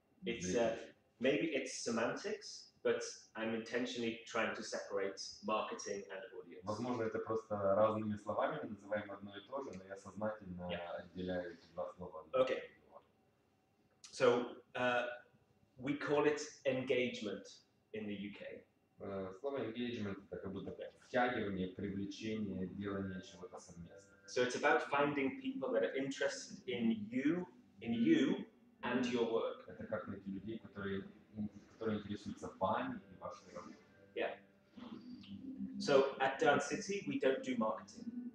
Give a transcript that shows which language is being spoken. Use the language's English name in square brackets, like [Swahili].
[English] It's maybe it's semantics, but I'm intentionally trying to separate marketing and audience. [Russian] Возможно, это просто разными словами мы называем одно и то же, но я сознательно отделяю эти два слова. [English] Okay. So we call it engagement in the UK. [Russian] Слово engagement это как будто втягивание, привлечение, делание чего-то совместно. [English] So it's about finding people that are interested in you and your work. [Russian] Это как найти людей, которые интересуются вами и вашей работой. [English] Yeah. So at Dance City we don't do marketing.